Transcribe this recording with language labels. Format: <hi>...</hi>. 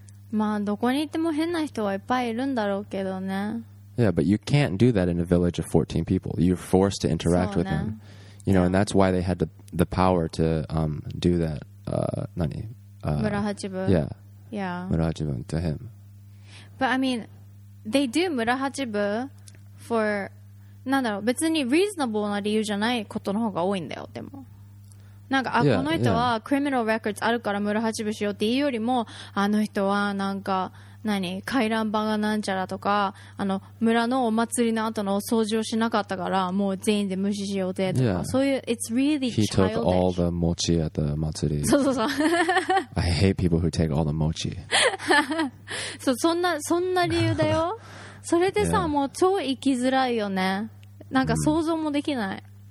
<ja>まあどこに行っても変な人はいっぱいいるんだろうけどね。</ja> <en>Yeah, but you can't do that in a village of 14 people. You're forced to interact、ね、with them. You know, and that's why they had the power to do that.</en> <ja>何? 村八分。</ja> <en>Yeah. Yeah. 村八分 to him. But I mean, they do</en> <ja>村八分For, なんだろう別に reasonable な理由じゃないことの方が多いんだよ。でもなんかあ yeah, この人は criminal records あるから村八分しようっていうよりも、あの人はなんか何回覧板がなんちゃらとか、あの村のお祭りの後の掃除をしなかったからもう全員で無視しようぜとか、yeah. そういう</ja> <en>it's really childish. He took all the mochi at the 祭り。</en> <ja>そうそうそう。</ja> <en>I hate people who take all the mochi.</en> <ja>そんな理由だよ。それでさ、yeah. もう超生きづらいよね。なんか想像もできない。</ja>